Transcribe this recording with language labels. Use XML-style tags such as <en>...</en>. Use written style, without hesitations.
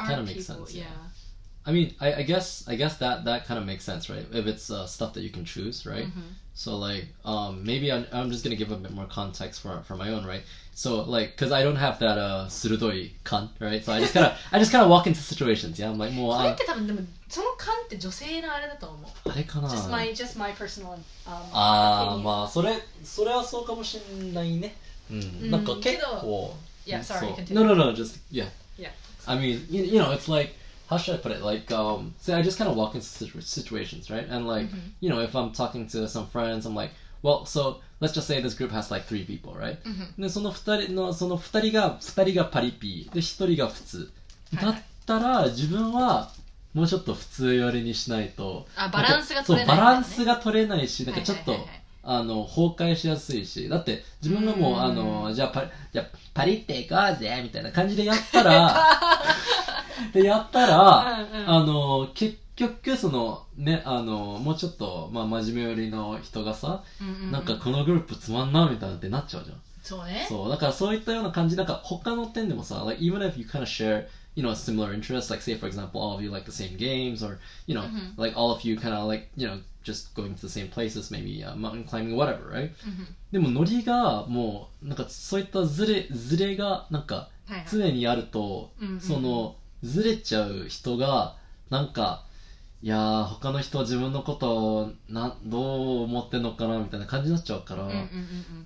<en>kind of people, makes sense. Yeah. I mean, I guess that kind of makes sense, right? If it's、stuff that you can choose, right?、 Mm-hmm. So like, maybe I'm just gonna give a bit more context for my own, right? So, like, because I don't have that,</en> <ja>鋭い感,</ja> <en>right? So I just kind of walk into situations, yeah? I'm like,</en> <ja>もう、それって多分、でも、その感って女性のあれだと思う。あれかな?</ja> <en>Just my personal,</en> <ja>ああ、まあ、それはそうかもしれないね。うん。なんか結構。</ja> <en>Yeah, sorry, continue. No, just, yeah. Yeah. I mean, you know, it's like, how should I put it? Like, say I just kind of walk into situations, right? And like,、 mm-hmm. you know, if I'm talking to some friends, I'm like,Well, so let's just say this group has like three people, right?、 Mm-hmm.</en> <ja>でその二人のその二人が二人がパリピーで一人が普通、はい、だったら自分はもうちょっと普通寄りにしないと、あ、バランスが取れない、ね、そうバランスが取れないし、なんかちょっと、はいはいはいはい、あの崩壊しやすいし、だって自分がもう、あのじゃあパリって行こうぜみたいな感じでやったらでやったら、うんうん、あの結局そのね、あのもうちょっと、まあ、真面目寄りの人がさ、うんうんうん、なんかこのグループつまんなみたいなってなっちゃうじゃん。そうね。そうだからそういったような感じ、なんか他の点でもさ、</ja> <en>like even if you kind of share, you know, similar interests, like say for example, all of you like the same games, or you know,、 mm-hmm. like all of you kind of like, you know, just going to the same places, maybe、mountain climbing, whatever, right?、 Mm-hmm.</en> <ja>でもノリがもうなんかそういったズレがなんか常にあると、はいはい、そのズレちゃう人がなんか。いやー他の人は自分のことをどう思ってんのかなみたいな感じになっちゃうから、うんうんうん、</ja>